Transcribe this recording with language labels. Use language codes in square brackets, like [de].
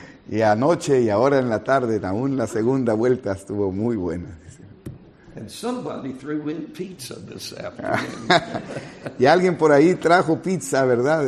[es] Y anoche y ahora en la tarde, aún la segunda vuelta estuvo muy buena. [en] And somebody threw in pizza this afternoon. [es] Y alguien por ahí trajo pizza, ¿verdad?